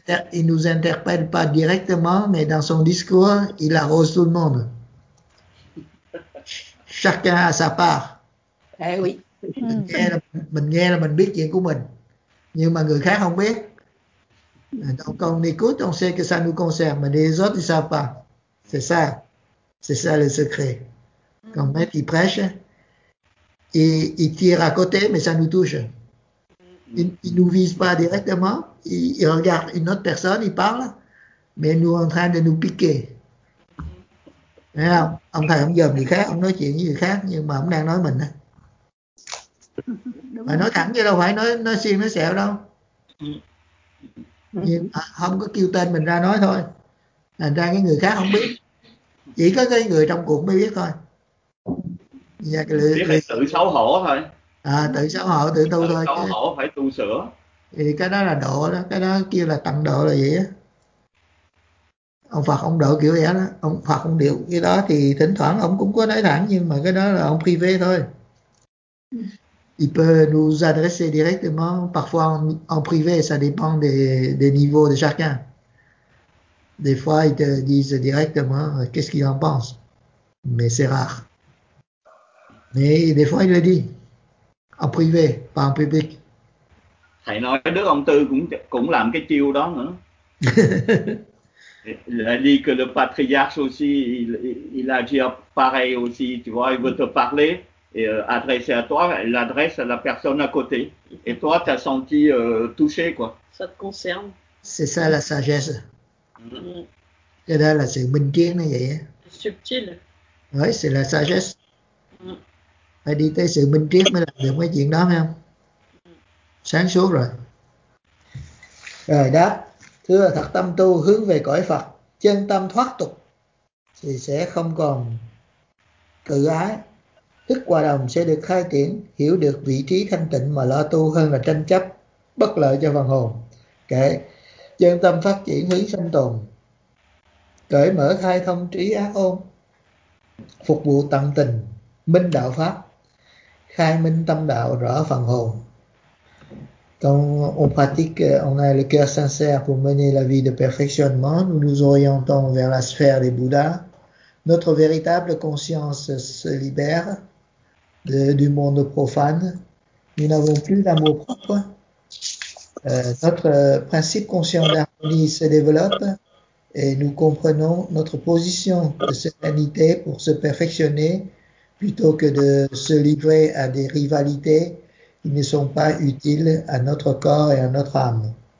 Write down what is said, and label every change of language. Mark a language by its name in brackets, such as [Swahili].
[French] Il nous interpelle pas directement, mais dans son discours, il arrose tout le monde. Chacun a sa part. Ah, Oui. [Vietnamese] Mình nghe là mình biết chuyện của mình, nhưng mà người khác không biết. [French] Donc quand on écoute, on sait que ça nous concerne, mais les autres ne savent pas. C'est ça le secret. Quand même, ils prêchent, ils tirent à côté, mais ça nous touche. Ils ne nous visent pas directement, ils regardent une autre personne, ils parlent, mais nous sont en train de nous piquer. [Vietnamese] Thấy không? Ông thầy không dòm gì khác, ông nói chuyện với người khác, nhưng mà ông đang nói mình. Mà nói thẳng chứ đâu phải nói xiên, nói xẹo đâu. Nhưng không có kêu tên mình ra nói thôi. Thành ra cái người khác không biết. Chỉ có cái người trong cuộc mới biết thôi. Dạ, biết phải tự xấu hổ thôi. À, tự xấu hổ, tự tu thôi. Tự xấu hổ phải tu sửa. Thì cái đó là độ đó, cái đó kêu là tặng độ là gì á. Ông Phật không độ kiểu vậy đó, ông Phật không điều cái đó thì thỉnh thoảng ông cũng có nói thẳng, nhưng mà cái đó là ông privé thôi. [French] Il peut nous adresser directement, parfois en privé, ça dépend des niveaux de chacun. Des fois, ils te disent directement qu'est-ce qu'ils en pensent, mais c'est rare. Mais des fois, ils le disent en privé, pas en public. [Vietnamese] Thầy nói Đức Ông Tư cũng làm cái chiêu đó nữa. [French] Il a dit que le patriarche aussi, il agit pareil aussi, tu vois, il veut te parler et adresser à toi, il l'adresse à la personne à côté. Et toi, tu as senti touché, quoi. Ça te concerne. C'est ça la sagesse. C'est là la [Vietnamese] sự minh kiến, là vậy. [French] Subtil. Oui, c'est la sagesse. [Vietnamese] Phải đi tới sự minh kiến mới làm được cái chuyện đó, không? Sáng suốt rồi. Rồi đó. Thưa thật tâm tu hướng về cõi Phật, chân tâm thoát tục thì sẽ không còn tự ái. Thức hòa đồng sẽ được khai triển, hiểu được vị trí thanh tịnh mà lo tu hơn là tranh chấp, bất lợi cho phần hồn. Kể chân tâm phát triển hướng sanh tồn, cởi mở khai thông trí ác ôn, phục vụ tận tình, minh đạo pháp, khai minh tâm đạo rõ phần hồn. [French] Donc, on pratique, on a le cœur sincère pour mener la vie de perfectionnement. Nous nous orientons vers la sphère des Bouddhas. Notre véritable conscience se libère du monde profane. Nous n'avons plus l'amour propre. Notre principe conscient d'harmonie se développe et nous comprenons notre position de sérénité pour se perfectionner plutôt que de se livrer à des rivalités qui ne sont pas utiles à notre corps et à notre âme.